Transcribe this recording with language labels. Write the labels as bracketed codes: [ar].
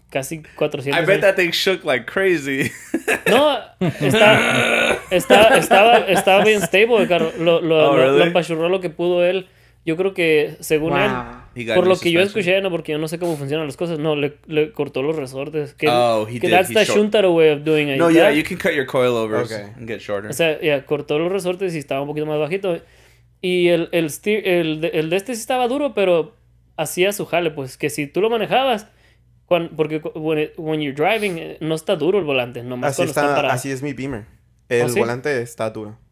[es] casi 400. [en] I bet that thing shook like crazy. [es] No, estaba bien stable el carro. Lo empachurró lo que pudo él. Yo creo que según él, por lo que yo escuché, no, porque yo no sé cómo funcionan las cosas, no, le cortó los resortes. [en] Que, that's the shuntaro way of doing it. No, yeah, you can cut your coilovers and get shorter. [es] O sea, yeah, cortó los resortes y estaba un poquito más bajito. Y el de este sí estaba duro, pero hacía su jale, pues, que si tú lo manejabas, porque [en] when you're driving, [es] no está duro el volante, nomás así cuando está parado. Así es mi Beamer. El volante está duro.